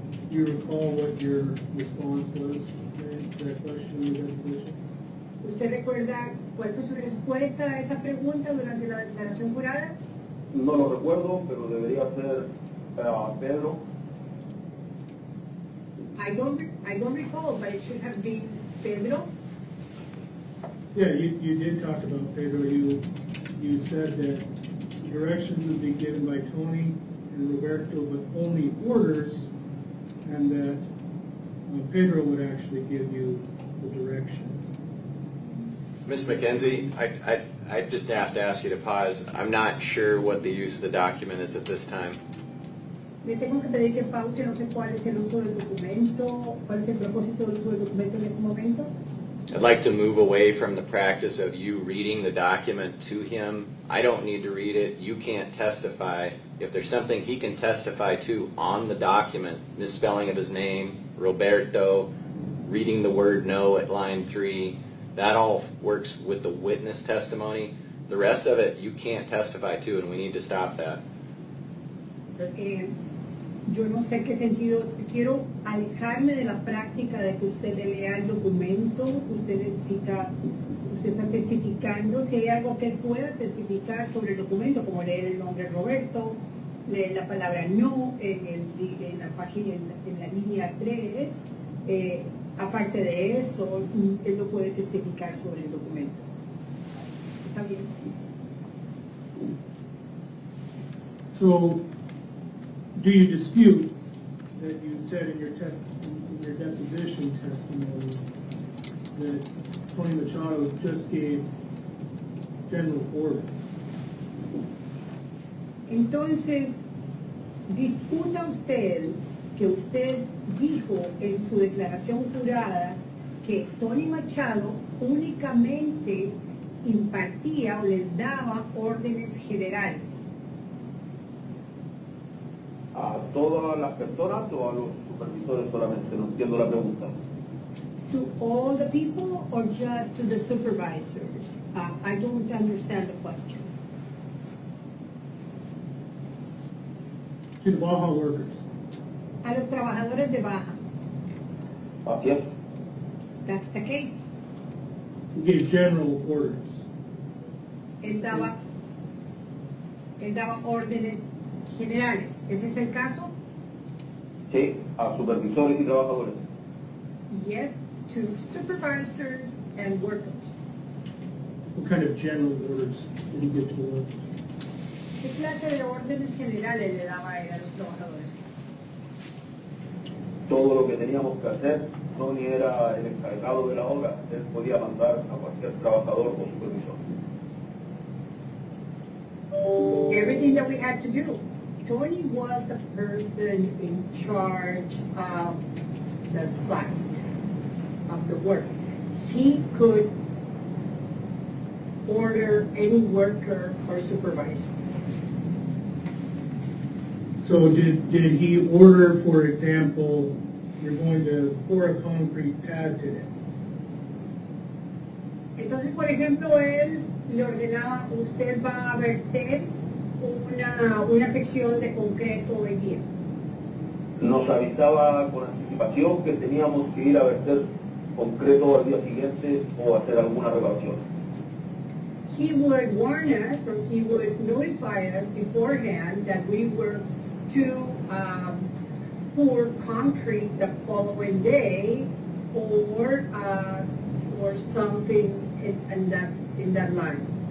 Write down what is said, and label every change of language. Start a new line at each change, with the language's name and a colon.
English: Do you recall what your response was to that question in the deposition?
Spanish: ¿Usted recuerda cuál fue su respuesta a esa pregunta durante la declaración jurada? No lo recuerdo, pero debería ser Pedro.
English: I don't recall, but it should have been Pedro. Yeah, you did talk about Pedro. You said that directions would be given by Tony and Roberto, but only orders, and that Pedro would actually give you the direction. Ms. McKenzie, I just have to ask you to pause. I'm not sure what the use of the document is at this time.
Spanish: Le tengo que pedir que pause. No sé cuál es el uso del documento, cuál es el propósito del uso del documento en este momento.
English: I'd like to move away from the practice of you reading the document to him. I don't need to read it. You can't testify. If there's something he can testify to on the document, misspelling of his name, Roberto, reading the word no at line 3, that all works with the witness testimony. The rest of it, you can't testify to, and we need to stop that.
Spanish: Yo no sé qué sentido, quiero alejarme de la práctica de que usted le lea el documento, usted necesita, usted está testificando, si hay algo que pueda testificar sobre el documento, como leer el nombre Roberto, leer la palabra no en la página, en la línea 3, aparte de eso, él no puede testificar sobre el documento. ¿Está bien?
English: So, do you dispute that you said in your deposition testimony that Tony Machado just gave general orders?
Spanish: Entonces, ¿disputa usted que usted dijo en su declaración jurada que Tony Machado únicamente impartía o les daba órdenes generales? ¿A todas las personas o a los supervisores solamente? No entiendo la pregunta.
English: To all the people or just to the supervisors? I don't understand the question. To the Baja workers.
Spanish: A los trabajadores de Baja.
English: Yes. That's the case. You gave general orders.
Spanish: Él daba órdenes generales. ¿Ese es el caso? Sí, a supervisores y trabajadores.
English: Yes, to supervisors and workers. What kind of general orders did he give to workers?
Spanish: ¿Qué clase de órdenes generales le daba a los trabajadores? Todo lo que teníamos que hacer, Tony era el encargado de la obra, él podía mandar a cualquier trabajador o supervisor.
English: Everything that we had to do, Tony was the person in charge of the site, of the work. He could order any worker or supervisor. So did he order, for example, you're going to pour a concrete pad today?
Spanish: Entonces, por ejemplo, él le ordenaba, usted va a verter una sección de concreto hoy día. Nos avisaba con anticipación que teníamos que ir a verter concreto al día siguiente o hacer alguna reparación.
English: He would warn us, or he would notify us beforehand that we were to pour concrete the following day, or something in that line.